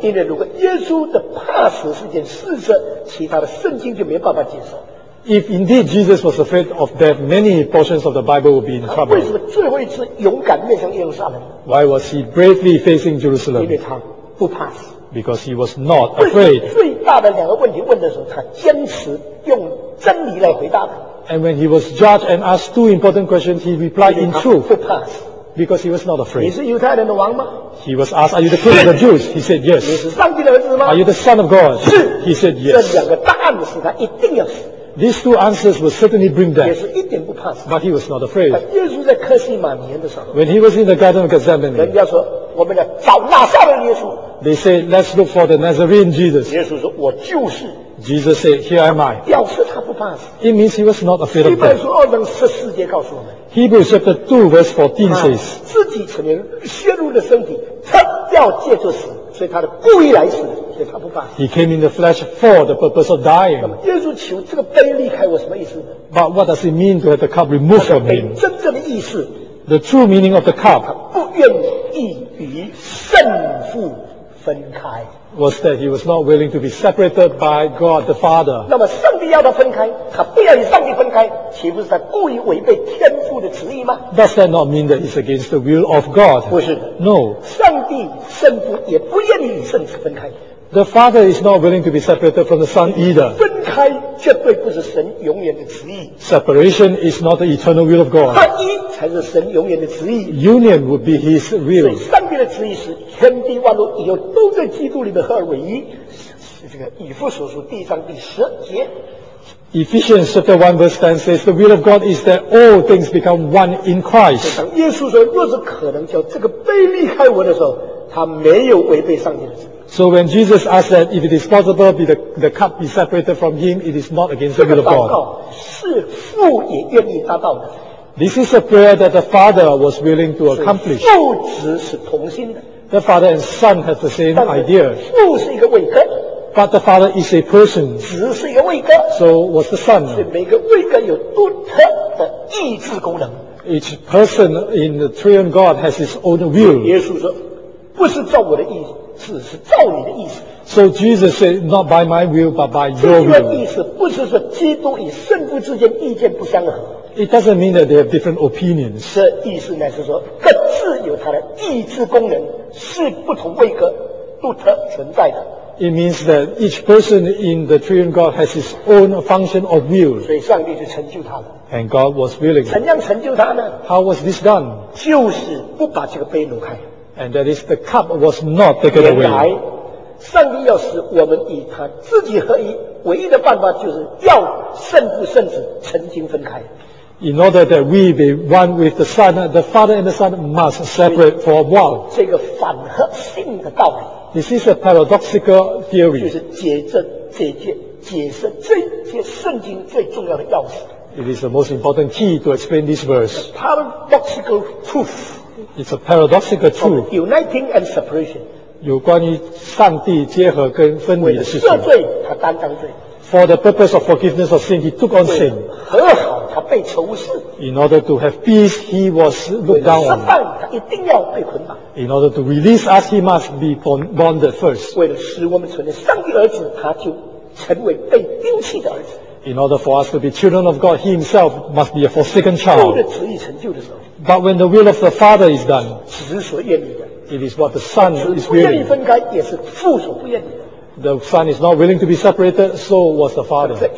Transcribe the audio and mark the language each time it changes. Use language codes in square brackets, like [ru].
[zh] 因为如果耶稣的怕死是件事实，其他的圣经就没办法接受。 [en] If indeed Jesus was afraid of death, many portions of the Bible would be in trouble. [zh] 为什么最后一次勇敢面向耶路撒冷？ [en] Why was he bravely facing Jerusalem? [zh] 因为他不怕死。 [en] Because he was not afraid. [zh] 最大的两个问题问的时候，他坚持用真理来回答的。 [en] And when he was judged and asked two important questions, he replied in truth. [zh] 不怕死。 [en] Because he was not afraid. [zh] 你是犹太人的王吗？ [en] He was asked, are you the king of the Jews? He said yes. [zh] 你是上帝的儿子吗？ [en] Are you the son of God? [zh] 是。 [en] He said yes. [zh] 这两个答案是他一定要死。 [en] These two answers will certainly bring death. [zh] 耶稣一点不怕死。 [en] But he was not afraid. [zh] 耶稣在克西马尼园的时候。 [en] When he was in the Garden of Gethsemane. [zh] 人家说我们要找拉撒勒耶稣。 [en] They say, let's look for the Nazarene Jesus. [zh] 耶稣说我就是。 [en] Jesus said, here am I. [zh] 表示他不怕死。 [en] It means he was not afraid of death. [zh] 希伯来书二章十四节告诉我们。 [en] Hebrews chapter 2 verse 14 says. [zh] 自己承认血肉的身体，他要借着死，所以他的故意来死。 [en] He came in the flesh for the purpose of dying. [zh] 耶稣求这个杯离开我什么意思呢？ [en] But what does it mean to have the cup removed from him? [zh] 真正的意思， [en] The true meaning of the cup [zh] 他不愿意与圣父分开。 [en] Was that he was not willing to be separated by God the Father. [zh] 那么圣帝要他分开，他不要与上帝分开，岂不是他故意违背天父的旨意吗？ [en] Does that not mean that it's against the will of God? [zh] 不是。 [en] No. [zh] 上帝圣父也不愿意与圣子分开。 [en] The Father is not willing to be separated from the Son either. [zh] 分开绝对不是神永远的旨意。 [en] Separation is not the eternal will of God. [zh] 合一才是神永远的旨意。 [en] Union would be His will. [zh] 所以上帝的旨意是天地万物以后都在基督里面合而为一。这个以弗所书第一章第十节。 [en] Ephesians chapter 1 verse 10 says, the will of God is that all things become one in Christ. [zh] 当耶稣说若是可能叫这个杯离开我的时候，他没有违背上帝的旨意。 [en] So when Jesus asked that if it is possible be the cup be separated from him, it is not against the will of God. [zh] 是父也愿意达到的。 [en] This is a prayer that the Father was willing to accomplish. [zh] 父子是同心的。 [en] The Father and Son have the same idea. [zh] 父是一个位格。 [en] But the Father is a person. [zh] 子是一个位格。 [en] So was the Son. [zh] 所以每个位格有独特的意志功能。 [en] Each person in the triune God has his own will. [zh] 耶稣说不是照我的意思。只是照你的意思。 [en] So Jesus said, not by my will, but by your will. [zh] 这句的意思不是说基督与圣父之间意见不相合。 [en] It doesn't mean that they have different opinions. [zh] 这意思呢是说各自有他的意志功能，是不同位格独特存在的。 [en] It means that each person in the triune God has his own function of will. [zh] 所以上帝就成就他了。 [en] And God was willing. [zh] 怎样成就他呢？ [en] How was this done? [zh] 就是不把这个杯挪开。 [en] And that is the cup was not taken away. [zh] 原来上帝要使我们与他自己合一，唯一的办法就是要圣父圣子曾经分开。 [en] In order that we be one with the Son, the Father and the Son must separate for a while. [zh] 这个反合性的道理。 [en] This is a paradoxical theory. [zh] 就是解这解决解释这些圣经最重要的钥匙。 [en] It is the most important key to explain this verse. A paradoxical truth. It's a paradoxical truth. Uniting and separation. [zh] 有关于上帝结合跟分离的事情。为了赦罪，他担当罪。 [en] For the purpose of forgiveness of sin, he took on sin. [zh] 和好，他被仇视。 [en] In order to have peace, he was looked down on. [zh] 为了释放，他一定要被捆绑。 [en] In order to release us, he must be bonded first. [zh] 为了使我们成为上帝儿子，他就成为被丢弃的儿子。 [en] In order for us to be children of God, He Himself must be a forsaken child. But when the will of the Father is done, it is what the Son is willing. The Son is not willing to be separated, so was the Father.